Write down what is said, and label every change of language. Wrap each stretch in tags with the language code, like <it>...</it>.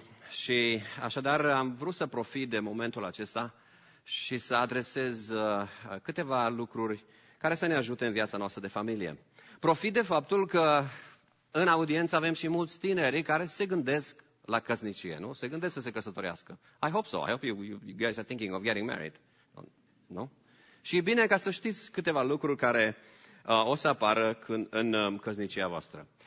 <ro>Și așadar am vrut să profit de momentul acesta și să adresez câteva lucruri care să ne ajute în viața noastră de familie. Profit de faptul că în audiență avem și mulți tineri care se gândesc la căsnicie, nu? Se gândesc să se căsătorească.</ro> <en>I hope so. I hope you guys are thinking of getting married.</en> <ro>Nu? Și e bine ca să știți câteva lucruri care o să apară în căsnicia voastră.</ro>